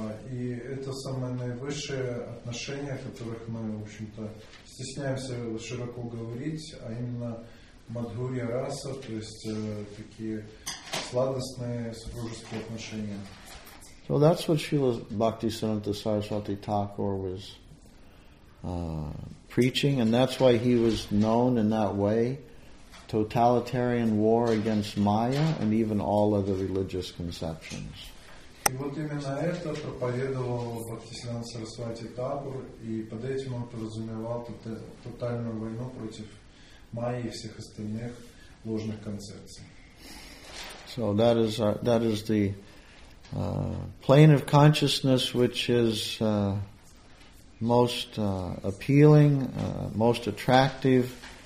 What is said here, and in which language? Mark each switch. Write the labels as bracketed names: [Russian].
[Russian] И это самое наивысшее отношение, о которых мы, в общем-то, стесняемся широко говорить, а именно Мадхурья Раса, то есть такие сладостные супружеские отношения. [English] So that's what Srila Bhaktisiddhanta Saraswati Thakur was preaching, and that's why he was known in that way, totalitarian war against Maya and even all other religious conceptions. [Russian] И вот именно это проповедовал Бхактисиддханта Сарасвати Тхакур, и под этим он подразумевал тотальную войну против Майи и всех остальных ложных концепций. [English] So that is the plane of consciousness which is most appealing, most attractive.